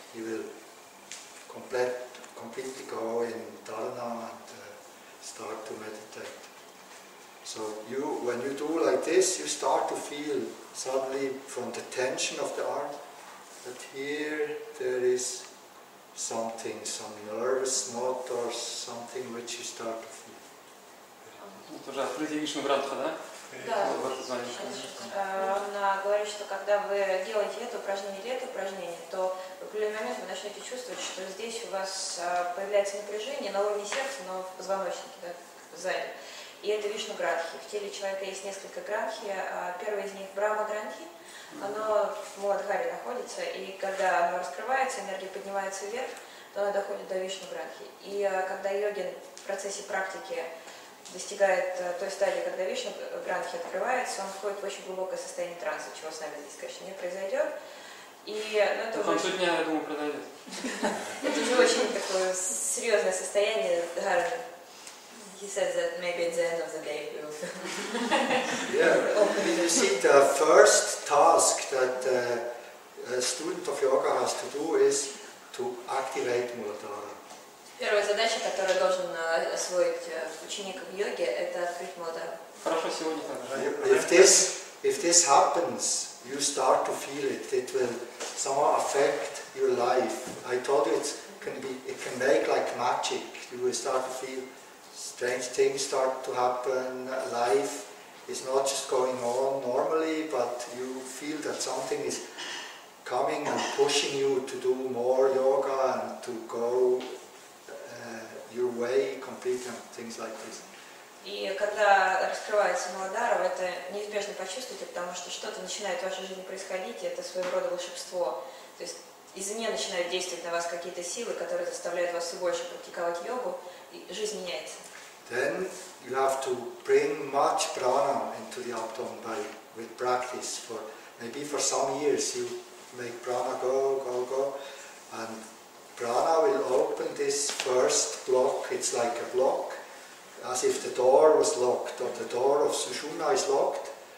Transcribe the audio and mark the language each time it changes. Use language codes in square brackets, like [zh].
[en] He will completely go in dharana and start to meditate. So you, when you do like this, you start to feel suddenly from the tension of the arm, that here there is something, some nervous knot or something which you start to feel. [ru] Тоже открытие Вишну Грантха, да? Да. Она говорит, что когда вы делаете это упражнение или это упражнение, то в определенный момент вы начнете чувствовать, что здесь у вас появляется напряжение на уровне сердца, но в позвоночнике, да, сзади. И это Вишну Грантхи. В теле человека есть несколько грантхи. Первый из них Брахма Грантхи. Оно в Муладхаре находится, и когда оно раскрывается, энергия поднимается вверх, то она доходит до Вишну Гранхи. И когда йогин в процессе практики достигает той стадии, когда Вишну Гранхи открывается, он входит в очень глубокое состояние транса, чего с нами здесь, конечно, не произойдет. И, ну, это уже... Сегодня, я думаю, произойдет. Это уже очень такое серьезное состояние. [en] He says that maybe at the end of the day we'll... Yeah, you see, the first task that a student of yoga has to do is to activate Muladhara. [ru] Первая задача, которую должен освоить ученик в йоге, это открыть Muladhara. Хорошо, сегодня так же. [en] If this happens, you start to feel it. It will somehow affect your life. I told you it can make like magic. You will start to feel strange things start to happen. Life is not just going on normally, but you feel that something is coming and pushing you to do more yoga and to go your way completely and things like this. [ru] И когда раскрывается Муладхара, это неизбежно почувствуете, потому что что-то начинает в вашей жизни происходить, и это своего рода волшебство. То есть извне начинают действовать на вас какие-то силы, которые заставляют вас все больше практиковать йогу, и жизнь меняется. [en] Then you have to bring much prana into the abdomen with practice. For maybe for some years you make prana go, and prana will open this first block. It's like a block, as if the door was locked, or the door of Sushumna is locked.